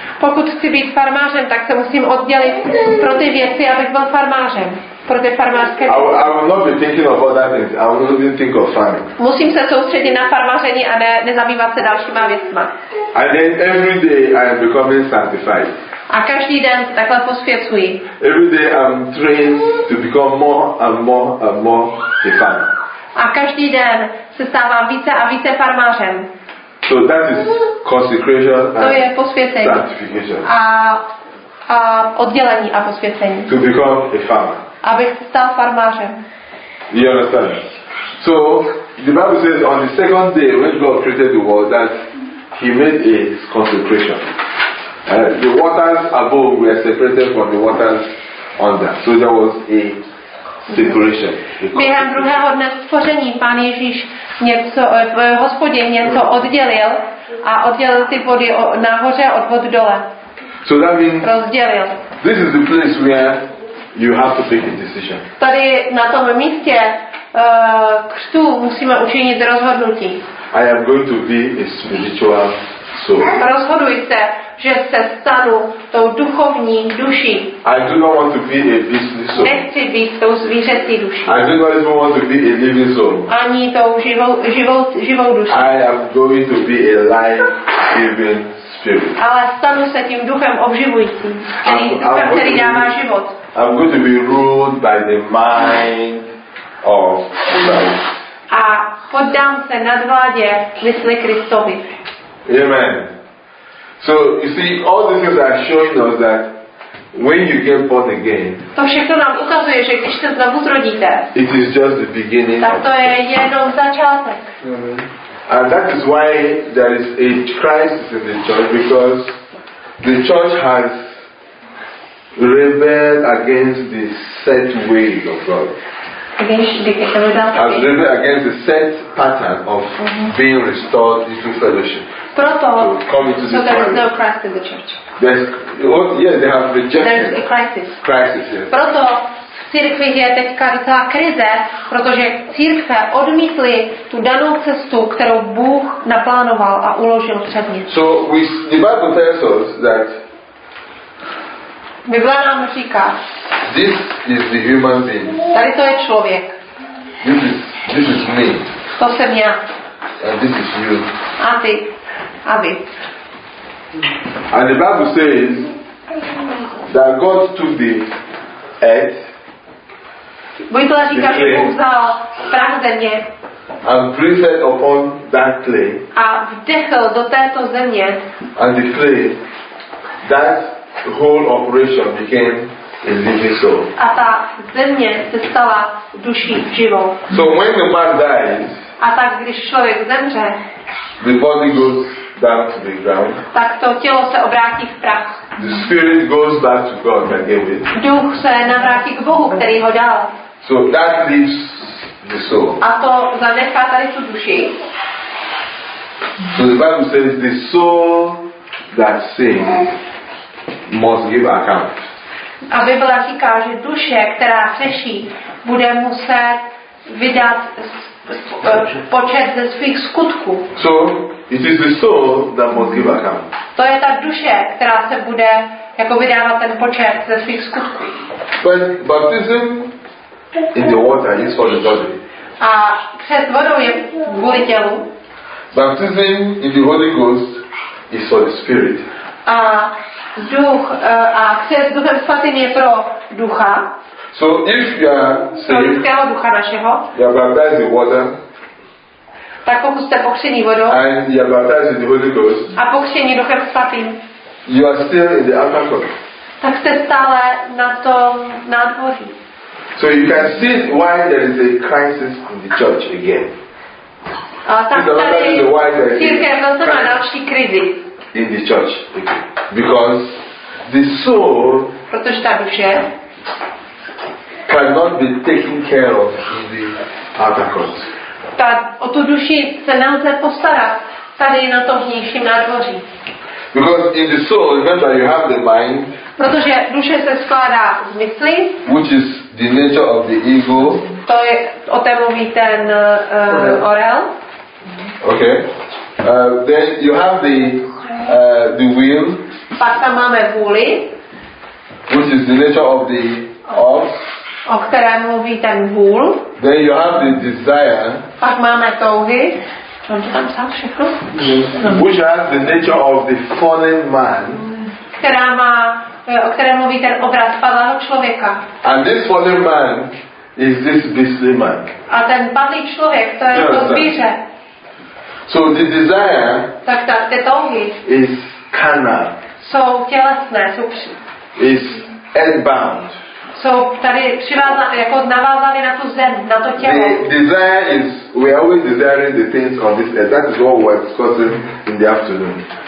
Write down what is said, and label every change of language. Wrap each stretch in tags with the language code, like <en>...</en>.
<cs>Pokud chci být farmářem, tak se musím oddělit pro ty věci, abych byl farmářem. Pro ty farmářské věci.</cs> <en>I will not be thinking of other things. I will not even think of farming.</en> <cs>Musím se soustředit na farmáření a nezabývat se dalšíma věcma.</cs> <en>And then every day I am becoming sanctified.</en> <cs>A každý den takhle posvěcuji.</cs> <en>Every day I am trained to become more and more and more a farmer.</en> <cs>A každý den se stávám více a více farmářem.</cs> <en>So that is consecration and</en> <cs>to je posvěcení a oddělení a posvěcení.</cs> <en>To become a farmer.</en> <cs>Abych se stal farmářem.</cs> <en>You understand? So the Bible says on the second day when God created the world that he made a consecration. The waters above were separated from the waters under. So there was a separation.</en> <cs>Během druhého dne stvoření Pán Ježíš něco, Hospodin něco oddělil a oddělil ty vody nahoře od vod dole.</cs> <en>So that means</en> <cs>rozdělil.</cs> <en>This is the place where you have to make a decision.</en> <cs>Tady na tom místě křtu musíme učinit rozhodnutí.</cs> <en>I am going to be a spiritual soul.</en> <cs>Rozhodujte, že se stanu tou duchovní duší.</cs> <en>I do not want to be a beastly soul.</en> <cs>Nechci být tou zvířecí duší.</cs> <en>I do not even want to be a living soul.</en> <cs>Ani tou živou duší.</cs> <en>I am going to be a life-giving spirit.</en> <cs>Ale stanu se tím duchem obživujícím, který dává život.</cs> <en>I'm going to be ruled by the mind of Christ.</en> <cs>A poddám se nadvládě mysli Kristovi.</cs> <en>Amen. So you see, all these things are showing us that when you get born again,</en> <cs>to všechno nám ukazuje, že když se znovu zrodíte,</cs> <en>it is just the beginning.</en> <cs>Tak to je jenom začátek.</cs> <en>And that is why there is a crisis in the church because the church has rebelled against the set way of God. Against the set pattern of being restored into fellowship.</en> <cs>Proto,</cs> <en>there is no Christ in the church. There's, yes, they have rejected. There's a crisis. Crisis, yes.</en> <cs>Proto církvi je teďka docela krize, protože církve odmítly tu danou cestu, kterou Bůh naplánoval a uložil před ní.</cs> <en>So the Bible tells us that</en> <cs>Bible nám říká,</cs> <en>this is the human being.</en> <cs>Tady to je člověk.</cs> <en>This is me.</en> <cs>To jsem já.</cs> <en>And this is you.</en> <cs>A ty. A vy.</cs> <en>And the Bible says that God took the earth.</en> <cs>Bible říká, že Bůh vzal prach země.</cs> <en>And breathed upon that clay.</en> <cs>A vdechl do této země.</cs> <en>And the clay, that whole operation became a living soul.</en> <cs>A ta země se stala duší živou.</cs> <en>So when the man dies.</en> <cs>A tak když člověk zemře.</cs> <en>The body goes back to the ground.</en> <cs>Tak to tělo se obrátí v prach.</cs> <en>The spirit goes back to God that gave it.</en> <cs>Duch se navrátí k Bohu, který ho dal.</cs> <en>So that leaves the soul.</en> <cs>A to zanechá tady tu duši.</cs> <en>So the Bible says the soul that sins must give account.</en> <cs>A Bible říká, že duše, která hřeší, bude muset vydat počet ze svých skutků.</cs> <en>So, it is the soul that must give account.</en> <cs>To je ta duše, která se bude jako vydávat ten počet ze svých skutků.</cs> <en>But baptism in the water is for the body.</en> <cs>A křest vodou je kvůli tělu.</cs> <en>Baptism in the Holy Ghost is for the spirit.</en> <cs>A duch a křest Duchem Svatým je pro ducha.</cs> <en>So if you are saved,</en> <cs>lidského ducha našeho,</cs> <en>you are baptized in water,</en> <cs>tak pokud jste pokřtěni vodou,</cs> <en>and you are baptized in the Holy Ghost,</en> <cs>a pokřtěni Duchem Svatým,</cs> <en>you are still in the upper court,</en> <cs>tak jste stále na tom nádvoří.</cs> <en>So you can see why there is a crisis in the church again.</en> <cs>A tak tady církev zase má další krizi.</cs> <en>In the church, because the soul,</en> <cs>protože ta duše,</cs> <en>cannot be taken care of in the outer court.</en> <cs>Ta o tu duši se nelze postarat tady na tom vnějším nádvoří.</cs> <en>Because in the soul, remember you have the mind.</en> <cs>Protože duše se skládá z mysli.</cs> <en>Which is the nature of the ego.</en> <cs>To je o té mluví ten orel.</cs> <en>Okay. Then you have the will.</en> <cs>Pak tam máme vůli.</cs> <en>Which is the nature of the of.</en> <cs>O které mluví ten vůl.</cs> <en>Then you have the desire.</en> <cs>Pak máme touhy. Mm-hmm.</cs> <en>Which has the nature of the fallen man.</en> <cs>Která má, o které mluví ten obraz padlého člověka.</cs> <en>And this fallen man is this beastly man.</en> <cs>A ten padlý člověk, to je</cs> <en>yes,</en> <cs>to zvíře.</cs> <en>So the desire,</en> <cs>tak tak, ty touhy,</cs> <en>is carnal.</en> <cs>Jsou tělesné, jsou při.</cs> <en>Is earthbound.</en> <cs>Jsou tady přivázané, jako navázané na tu zem, na to tělo.</cs> <en>The desire is, we are always desiring the things on this earth. That is what we are discussing in the afternoon.</en>